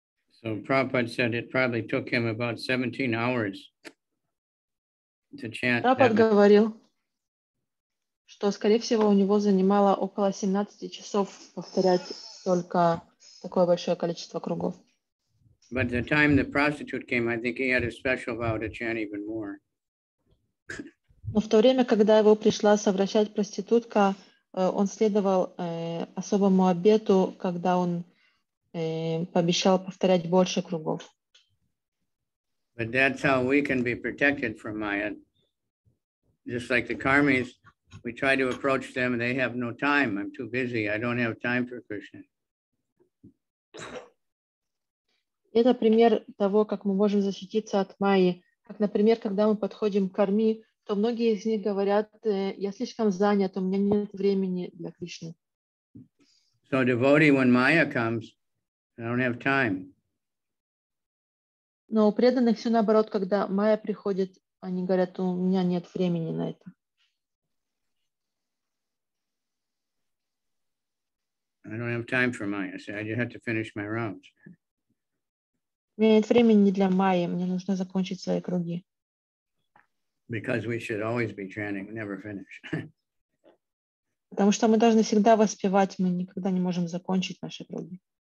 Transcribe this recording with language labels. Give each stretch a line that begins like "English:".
English: So Prabhupada said it probably took him about 17 hours to chant.
Russian: Prabhupada говорил, что, скорее всего, у него занимало около 17 часов повторять только такое большое количество кругов.
English: But the time the prostitute came, I think he had a special vow to chant even more.
Russian: Но в то время, когда его пришла совращать проститутка, он следовал особому обету, когда он пообещал повторять больше кругов.
English: But that's how we can be protected from Maya. Just like the Karmis, we try to approach them and they have no time. I'm too busy. I don't have time for Krishna.
Russian: Это пример того, как мы можем защититься от Майи. Как, например, когда мы подходим к Карми, то многие из них говорят, я слишком занят, у меня нет времени для Кришны.
English: So devotee, when Maya comes, I don't have time.
Russian: Но у преданных все наоборот, когда Майя приходит, они говорят, у меня нет времени на это.
English: I don't have time for Maya. So I just have to finish my rounds.
Russian: У меня нет времени для Майи, мне нужно закончить свои круги.
English: Because we should always be training, never finish.
Russian: Потому что мы должны всегда воспевать, мы никогда не можем закончить наши круги.